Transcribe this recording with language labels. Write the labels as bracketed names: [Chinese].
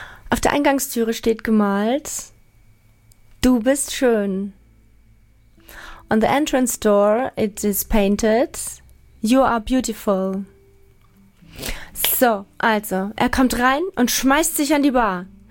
[German] Auf der Eingangstüre steht gemalt, du bist schön. [English] On the entrance door, it is painted, you are beautiful. [German] So, also, er kommt rein und schmeißt sich an die Bar.